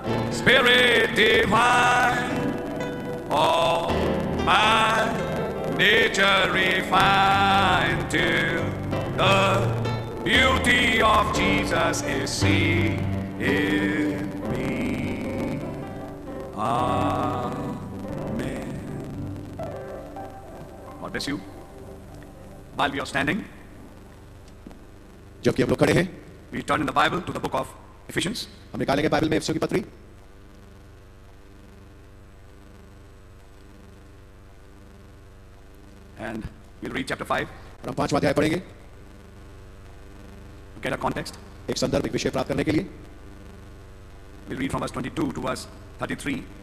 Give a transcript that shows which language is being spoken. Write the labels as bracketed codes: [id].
[en] Spirit divine, all my nature refined to the beauty of Jesus is seen in me. Amen. God bless you. While we are standing, [hi] जबकि हम लोग खड़े हैं, [en] we turn in the Bible to the book of Ephesians. [hi] हम निकालेंगे Bible में एफिसियों की पत्री। [en] And we'll read chapter 5. [hi] और हम पांचवां अध्याय पढ़ेंगे। [en] Get a context. [hi] एक संदर्भ, एक विषय प्राप्त करने के लिए। [en] We'll read from verse 22 to verse 33.